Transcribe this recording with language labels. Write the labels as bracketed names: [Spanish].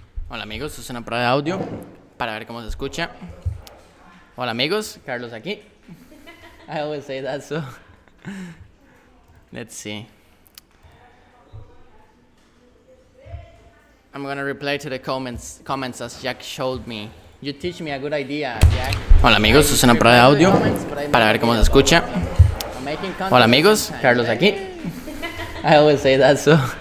[Spanish] Hola amigos, esto es una prueba de audio para ver cómo se escucha. Hola amigos, Carlos aquí. [English] I always say that, so let's see. I'm gonna reply to the comments as Jack showed me. You teach me a good idea, Jack. [Spanish] Hola amigos, esto es una prueba de audio para ver cómo se escucha. Hola amigos, Carlos aquí. [English] I always say that, so.